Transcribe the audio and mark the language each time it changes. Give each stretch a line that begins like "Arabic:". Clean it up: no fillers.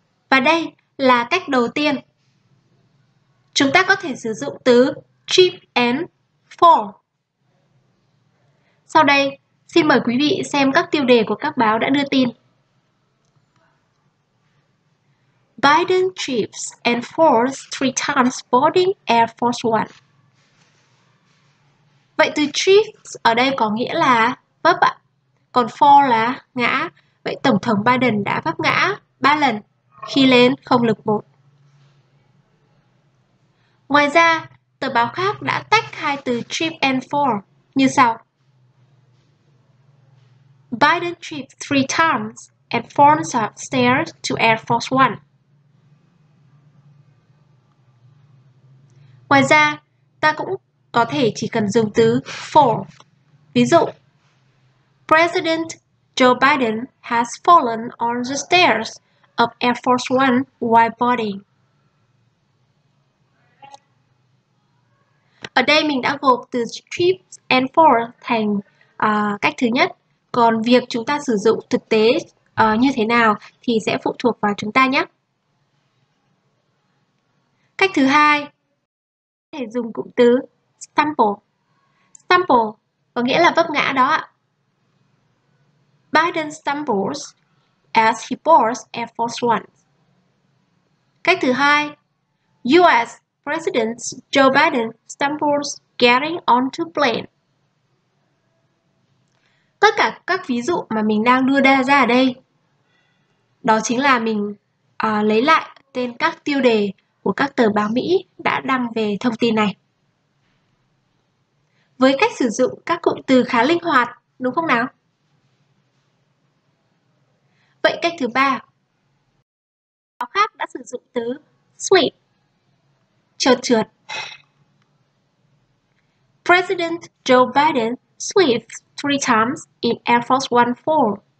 Vietnamese: Và đây là cách đầu tiên. Chúng ta có thể sử dụng từ trip and fall. Sau đây, xin mời quý vị xem các tiêu đề của các báo đã đưa tin.
English: Biden trips and falls three times boarding Air Force One.
Vietnamese: Vậy từ trips ở đây có nghĩa là vấp ạ. Còn fall là ngã. Vậy Tổng thống Biden đã vấp ngã 3 lần khi lên không lực 1. Ngoài ra, tờ báo khác đã tách hai từ trip and fall như sau.
English: Biden trips three times and falls upstairs to Air Force One.
Vietnamese: Ngoài ra, ta cũng có thể chỉ cần dùng từ fall. Ví dụ,
English: President Joe Biden has fallen on the stairs of Air Force One while boarding.
Vietnamese: Ở đây mình đã gộp từ trip and fall thành cách thứ nhất. Còn việc chúng ta sử dụng thực tế như thế nào thì sẽ phụ thuộc vào chúng ta nhé. Cách thứ hai, có thể dùng cụm từ stumble. Stumble có nghĩa là vấp ngã đó ạ.
English: Biden stumbles as he boards Air Force One.
Vietnamese: Cách thứ hai,
English: US President Joe Biden stumbles getting onto plane.
Vietnamese: Tất cả các ví dụ mà mình đang đưa ra ở đây, đó chính là mình lấy lại tên các tiêu đề của các tờ báo Mỹ đã đăng về thông tin này. Với cách sử dụng các cụm từ khá linh hoạt, đúng không nào? Vậy cách thứ ba, báo khác đã sử dụng từ slip, trượt trượt.
English: President Joe Biden slips three times in Air Force One fall.